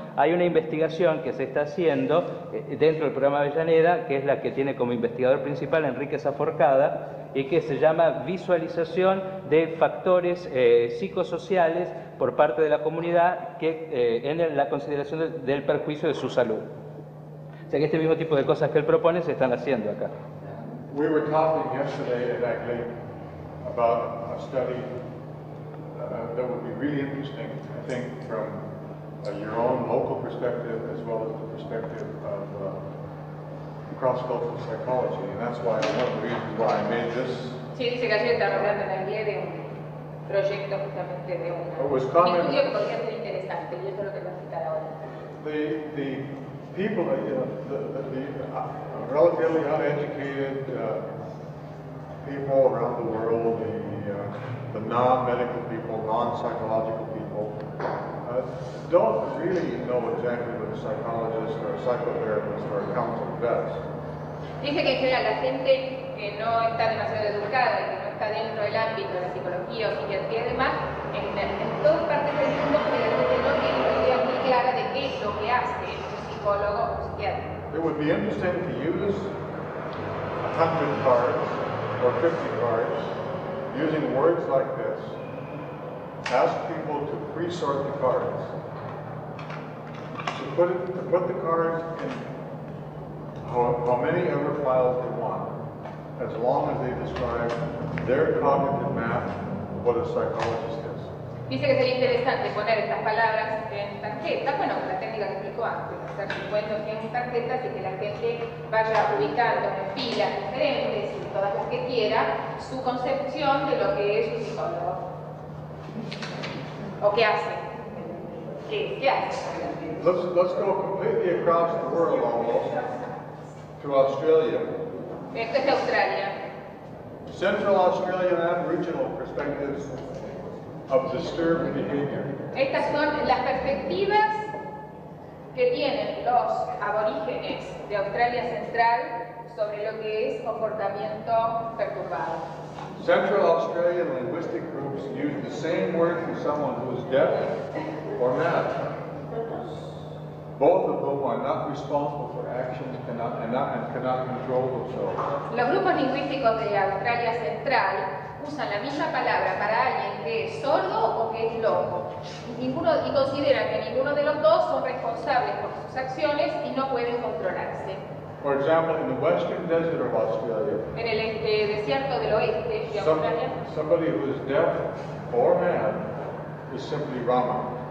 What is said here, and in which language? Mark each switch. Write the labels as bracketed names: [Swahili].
[Spanish] hay una investigación que se está haciendo dentro del programa Avellaneda, que es la que tiene como investigador principal Enrique Saforcada, y que se llama visualización de factores psicosociales por parte de la comunidad que, en la consideración del perjuicio de su salud. O sea que este mismo tipo de cosas que él propone se están haciendo acá. [English] We were talking yesterday exactly about a study that would be really interesting, I think, from your own local perspective as well as the perspective of cross-cultural psychology, and that's why one of the reasons why I made this. [Spanish] Sí, dice que ayer estaba hablando la idea de un proyecto justamente de un estudio que podría ser interesante, y eso es lo que va a citar ahora. [English] The people, the relatively uneducated people around the world, the non-medical people, non-psychological people, don't really know exactly what a psychologist or a psychotherapist or a counselor does. [Spanish] Dice que en general la gente que no está demasiado educada, que no está dentro del ámbito de la psicología o psiquiatría y demás, en todas partes del mundo generalmente no tiene una idea muy clara de qué es lo que hace un psicólogo o psiquiatra. [English] It would be interesting to use 100 cards or 50 cards using words like this. Ask people to pre-sort the cards. To put the cards in how many ever files they want, as long as they describe their cognitive map of what a psychologist is. [Spanish] Dice que sería interesante poner estas palabras en tarjetas, bueno, la técnica que explicó antes, hacer 50 o 100 tarjetas y que la gente vaya ubicando en filas diferentes y todas las que quiera su concepción de lo que es un psicólogo. ¿O qué hace? ¿Qué hace? [English] Let's go completely across the world almost. To Australia. [Spanish] Esto es Australia. [English] Central Australian Aboriginal perspectives of disturbed behavior. [Spanish] Estas son las perspectivas que tienen los aborígenes de Australia Central sobre lo que es comportamiento perturbado. [English] Central Australian linguistic groups use the same word for someone who is deaf or mad. Both of whom are not responsible for actions cannot control themselves. [Spanish] Los grupos lingüísticos de Australia Central usan la misma palabra para alguien que es sordo o que es loco. Y consideran que ninguno de los dos son responsables por sus acciones y no pueden controlarse. [English] For example, in the western desert of Australia, [Spanish] en el desierto del oeste de Australia, [English] somebody who is deaf or mad is simply Rama.